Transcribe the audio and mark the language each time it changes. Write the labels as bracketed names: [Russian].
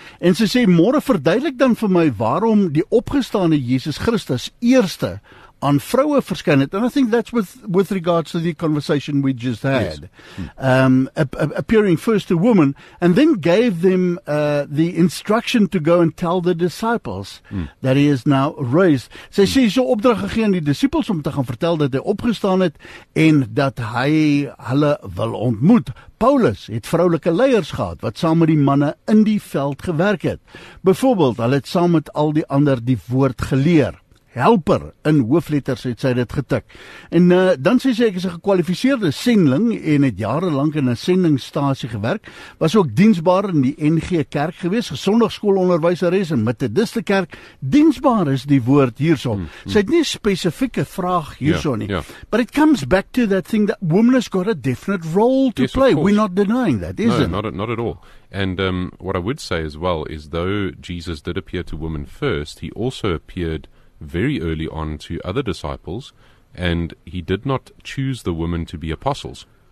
[English] And she say, [Afrikaans] more verduidelik dan vir my waarom die opgestaane Jesus Christus eerste aan vroue verskyn het. [English] And I think that's with regards to the conversation we just had. Yes. Appearing first to women and then gave them the instruction to go and tell the disciples that he is now raised. [Afrikaans] Sy sê so opdrag gegee aan die disciples om te gaan vertel dat hy opgestaan het en dat hy hulle wil ontmoet. Paulus het vroulike leiers gehad wat saam met die manne in die veld gewerk het. Byvoorbeeld, hulle het saam met al die ander die woord geleer. Helper, in hoofletters het sy dit getik. En dan sê sy, ek is 'n gekwalifiseerde sendeling en het jarenlang in 'n sendingstasie gewerk, was ook diensbaar in die NG Kerk gewees, gesondagskoolonderwijseres en Methodiste Kerk. Diensbaar is die woord hierso. Sy het nie spesifieke vraag hierso nie. [English] But it comes back to that thing that women has got a definite role to play. We're not denying that, is it? No, not at all. And what I would say as well is though Jesus did appear to women first, he also appeared very early on to other disciples, and he did not choose the women to be apostles.